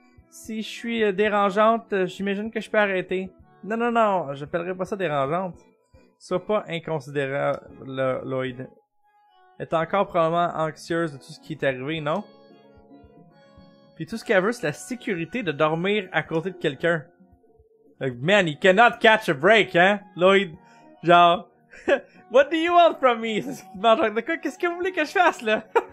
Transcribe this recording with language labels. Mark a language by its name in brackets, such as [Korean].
[French] Si je suis dérangeante, j'imagine que je peux arrêter. Non, j'appellerai pas ça dérangeante. Sois pas inconsidérable, Lloyd. Elle est encore probablement anxieuse de tout ce qui est arrivé, non? Puis tout ce qu'elle veut, c'est la sécurité de dormir à côté de quelqu'un. [English] Like, man, you cannot catch a break, hein, Lloyd? Genre, what do you want from me? [French] Non, genre, de quoi, qu'est-ce que vous voulez que je fasse, là?